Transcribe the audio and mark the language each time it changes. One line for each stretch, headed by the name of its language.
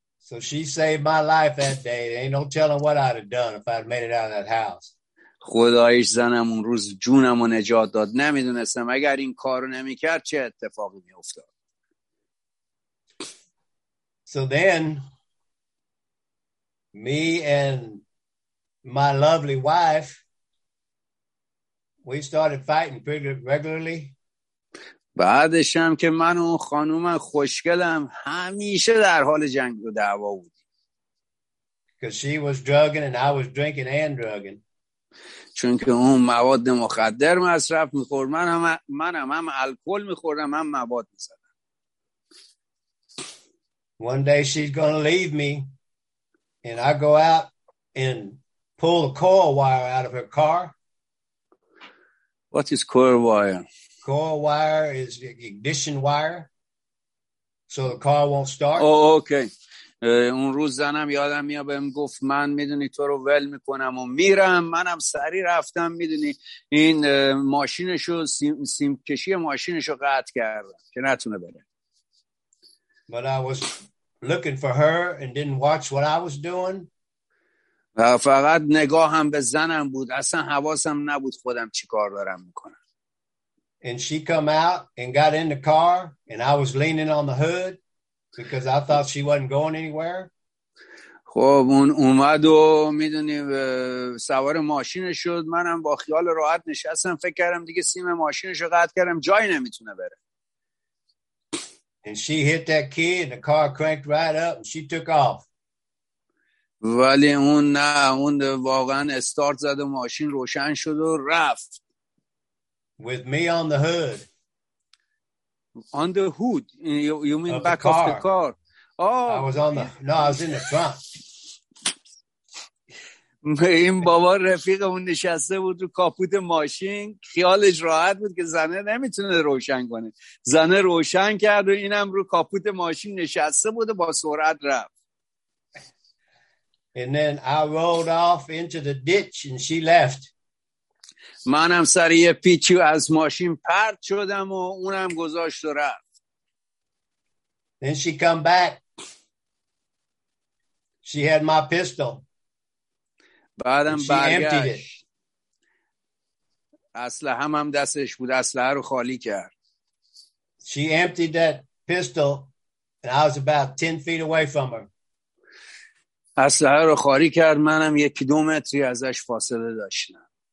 English: So she saved my life that day. There ain't no telling what I'd have done if I'd made it out of that house.
Persian: خدایش زنم اون روز جونم رو نجات داد. نمیدونستم اگر این کار رو نمیکرد چه اتفاقی میافتاد.
English: So then, me and my lovely wife, we started fighting pretty regularly.
Persian: بعدش هم که من و خانوم خوشگلم همیشه در حال جنگ و دعوا بودیم.
English: Because she was drugging and I was drinking and drugging.
Persian: چون که اون مواد مخدر مصرف می‌خورد، منم هم الکل می‌خوردم هم مواد می‌زدم.
English: One day she's going to leave me and I go out and pull a coil wire out of her car. What is coil wire? Coil wire is ignition wire, so the car won't start. Oh, okay.
Persian: اون روز زنم یادم میاد بهم گفت من میدونی تو رو ول میکنم و میرم. منم سری رفتم میدونی این ماشینشو سیم کشی ماشینشو قطع کردم که نتونه بره.
English: But I was looking for her and didn't watch what I was doing.
Persian: و فقط نگاهم به زنم بود، اصلا حواسم نبود خودم چی کار دارم میکنم.
English: And she come out and got in the car and I was leaning on the hood because I thought she wasn't going anywhere.
Persian: خب اون اومد و میدونی سوار ماشین شد، منم با خیال راحت نشستم، فکر کردم دیگه سیم ماشینشو قطع کردم، جایی نمیتونه بره.
English: And she hit that key and the car cranked right up and she took off.
Persian: ولی اون نه، اون واقعا استارت زد و ماشین روشن شد و رفت.
English: With me on the hood. On the hood? You mean of back the of the car? Oh. I was in the front.
Persian: این بابا رفیق اون نشسته بود رو کاپوت ماشین، خیالش راحت بود که زنه نمیتونه روشن کنه. زنه روشن کرد و اینم رو کاپوت ماشین نشسته بود و با سرعت رفت.
English: And then I rolled off into the ditch and she left.
Persian: منم سر یه پیچی از ماشین پرت شدم و اونم گذاشت و رفت.
English: Then she come back. She had my pistol.
Persian: بعدم برگشت. اسلحه هم دستش بود، اسلحه رو خالی کرد.
English: She emptied that pistol and I was about 10 feet away from her.
Persian: اسلحه رو خاری کرد، منم یکی دو متری ازش فاصله داشتم.